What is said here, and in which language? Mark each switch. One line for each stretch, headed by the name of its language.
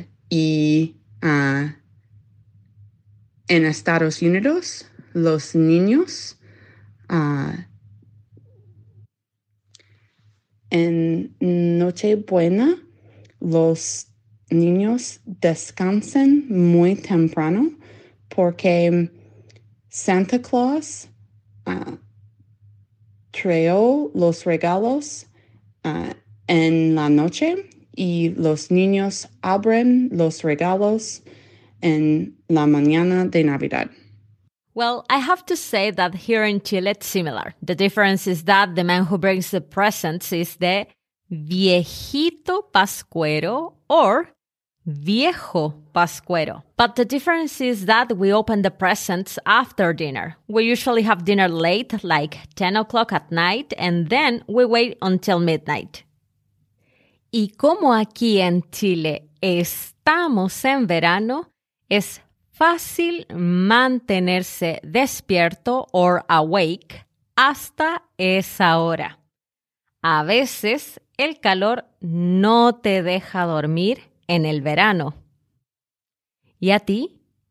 Spanish: Y en Estados Unidos, los niños en Nochebuena, los niños descansan muy temprano porque Santa Claus trae los regalos en la noche y los niños abren los regalos en la mañana de Navidad.
English: Well, I have to say that here in Chile it's similar. The difference is that the man who brings the presents is the Viejito Pascuero or Viejo Pascuero. But the difference is that we open the presents after dinner. We usually have dinner late, like 10 o'clock at night, and then we wait until midnight.
Spanish: Y como aquí en Chile estamos en verano, es fácil mantenerse despierto or awake hasta esa hora. A veces el calor no te deja dormir en el verano. ¿Y a ti?